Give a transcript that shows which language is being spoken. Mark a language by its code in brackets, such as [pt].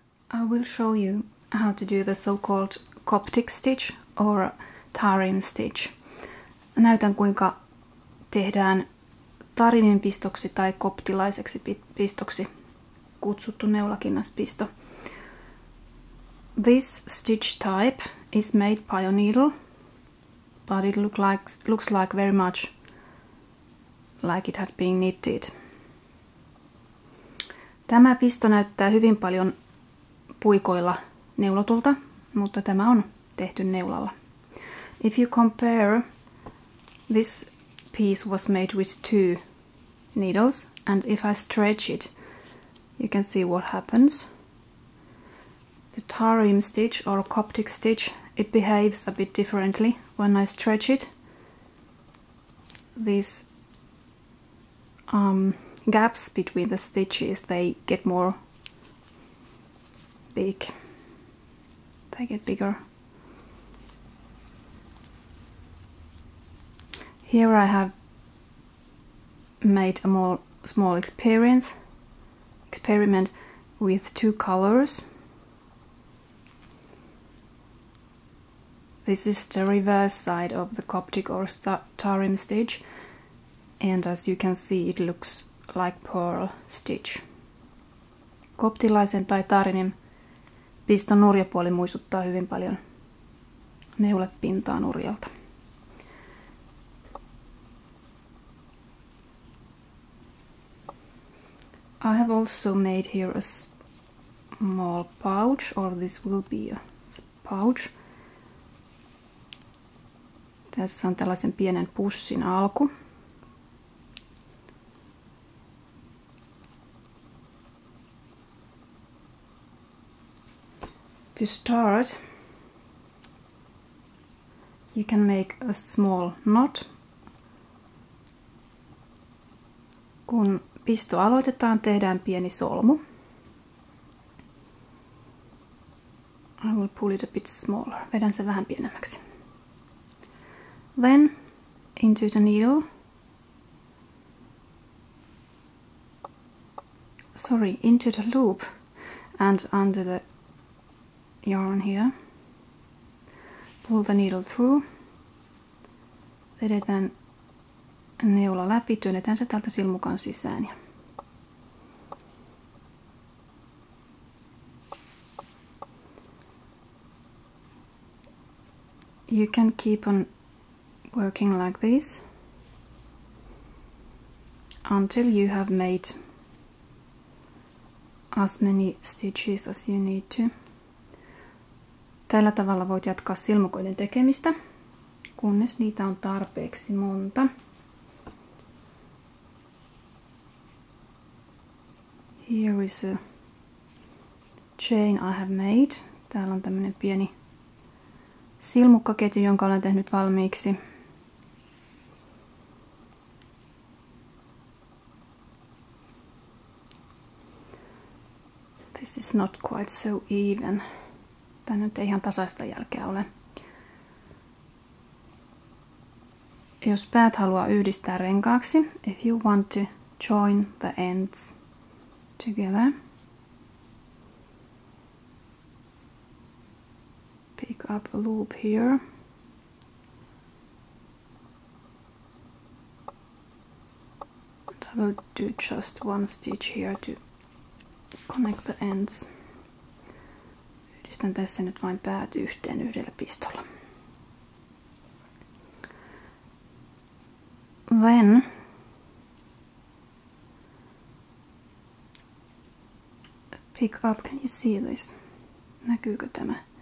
[en] I will show you how to do the so-called Coptic Stitch or Tarim Stitch. [fi] Näytän kuinka tehdään Tarimin pistoksi tai koptilaiseksi pistoksi kutsuttu neulakinnaspisto. [en] This stitch type is made by a needle, but it looks like very much like it had been knitted. [fi] Tämä pisto näyttää hyvin paljon puikoilla neulotulta, mutta tämä on tehty neulalla. [en] If you compare, this piece was made with two needles, and if I stretch it, you can see what happens. The Tarim stitch or Coptic stitch, it behaves a bit differently. When I stretch it, these gaps between the stitches, they get more big. They get bigger. Here I have made a more small experiment with two colors. This is the reverse side of the Coptic or Tarim stitch, and as you can see, it looks like pearl stitch. [fi] Koptilaisen tai Tarimin piston nurjapuoli muistuttaa hyvin paljon neulepintaa nurjalta. [en] I have also made here a small pouch, or this will be a pouch. [fi] Tässä on tällaisen pienen pussin alku. [en] To start, you can make a small knot. [fi] Kun pisto aloitetaan, tehdään pieni solmu. [en] I will pull it a bit smaller. [fi] Vedän sen vähän pienemmäksi. [en] Then into the needle. Sorry, into the loop and under the yarn here. Pull the needle through. [fi] Vedetään neula läpi, työnnetään se tältä silmukan sisään. [en] You can keep on working like this until you have made as many stitches as you need to. [fi] Tällä tavalla voit jatkaa silmukoiden tekemistä, kunnes niitä on tarpeeksi monta. [en] Here is a chain I have made. [fi] Täällä on tämmönen pieni silmukkaketju, jonka olen tehnyt valmiiksi. [en] This is not quite so even. [fi] Tää nyt ei ihan tasaista jälkeä ole. Jos päät haluaa yhdistää renkaaksi, [en] if you want to join the ends together, pick up a loop here. And I will do just one stitch here to connect the ends. [fi] Yhdistän tässä nyt vain päät yhteen yhdellä pistolla. [en] Then pick up, can you see this? [fi] Näkyykö tämä?